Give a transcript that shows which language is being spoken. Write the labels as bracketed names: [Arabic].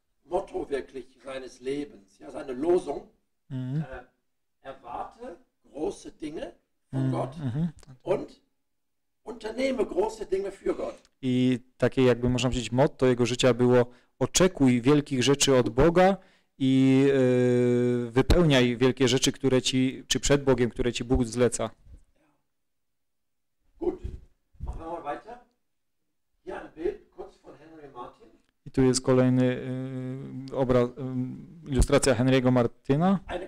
[German] Motto wirklich seines Lebens, ja, seine Losung. Erwarte große Dinge von Gott und unternehme große Dinge für Gott. [Polish] I takie, jakby można powiedzieć, motto jego życia było: oczekuj wielkich rzeczy od Boga i wypełniaj wielkie rzeczy, które ci, czy przed Bogiem, które ci Bóg zleca. [German] Gut, machen wir weiter. Hier ein Bild kurz von Henry Martin. [Polish] I tu jest kolejny obraz, ilustracja Henry'ego Martina.